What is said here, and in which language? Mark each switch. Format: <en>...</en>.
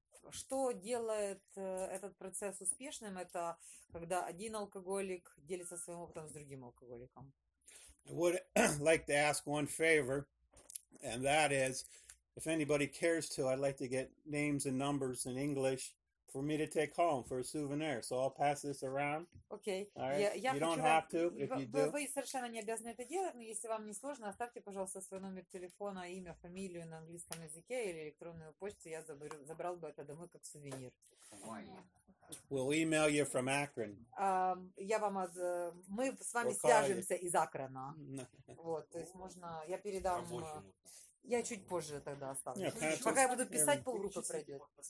<ru>Что делает этот процесс успешным, это когда один алкоголик делится своим опытом с другим алкоголиком.</ru> <en>I would like to ask one favor, and that is, if anybody cares to, I'd like to get names and numbers in English for me to take home for a souvenir. So I'll pass this around. Okay. Right. You don't have to, if you do.</en> <ru>Вы совершенно не обязаны это делать, но если вам не сложно, оставьте, пожалуйста, свой номер телефона, имя, фамилию на английском языке или электронную почту. Я забрал бы это домой как сувенир.</ru> <en>We'll email you from Akron.</en> <ru>Мы с вами свяжемся из Акрона. Вот, то есть можно, я передам... Я чуть позже тогда оставлю.</ru> <en>Yeah,</en> <ru>пока я буду писать, полгруппы пройдет.</ru>